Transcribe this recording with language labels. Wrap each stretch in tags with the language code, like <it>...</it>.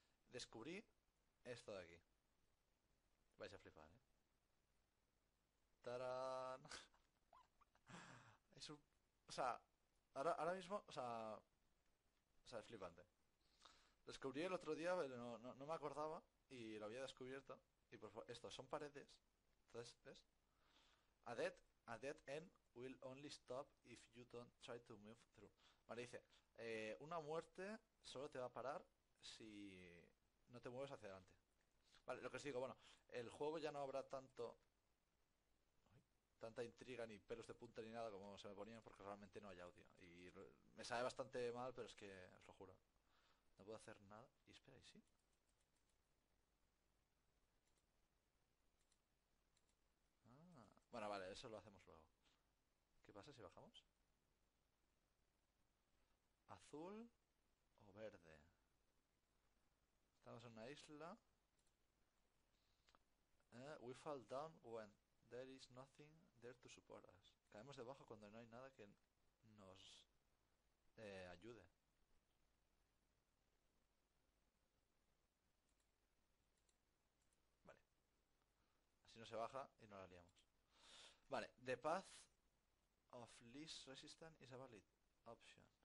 <es>Descubrí esto de aquí. Vais a flipar, ¿eh? ¡Tarán! Es un... O sea, ahora mismo, o sea, es flipante. Descubrí el otro día, pero no me acordaba y lo había descubierto. Y por favor, esto son paredes. Entonces, ¿ves?</es> <en>A dead end will only stop if you don't try to move through.</en> <es>Vale, dice, una muerte solo te va a parar si no te mueves hacia adelante. Vale, lo que os digo, bueno, el juego ya no habrá tanto... Tanta intriga, ni pelos de punta, ni nada como se me ponían, porque realmente no hay audio. Y me sabe bastante mal, pero es que, os lo juro, no puedo hacer nada. Y espera, ¿y sí? Bueno, vale, eso lo hacemos luego. ¿Qué pasa si bajamos? ¿Azul o verde? Estamos en una isla.</es> <en>We fall down when there is nothing there to support us.</en> <es>Caemos debajo cuando no hay nada que nos ayude. Así no se baja y no la liamos.</es> <en>Vale, the path of least resistance is a valid option.</en>